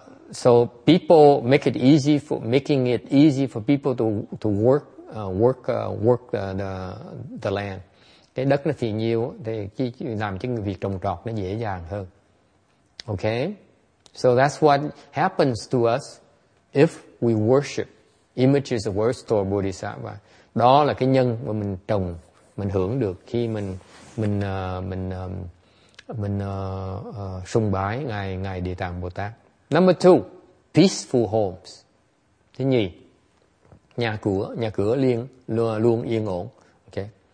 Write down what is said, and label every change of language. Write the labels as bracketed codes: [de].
[en] So people making it easy for people to work the land. [vi] Cái đất nó phi nhiêu thì làm cho người việc trồng trọt nó dễ dàng hơn. [en] Okay. So that's what happens to us if we worship images of Earth-Star Bodhisattva. [vi] Đó là cái nhân mà mình trồng, mình hưởng được khi mình sùng bái ngài Địa Tạng Bồ Tát. [en] Number two, peaceful homes. [vi] Thứ nhì, nhà cửa luôn yên ổn. [en] Okay.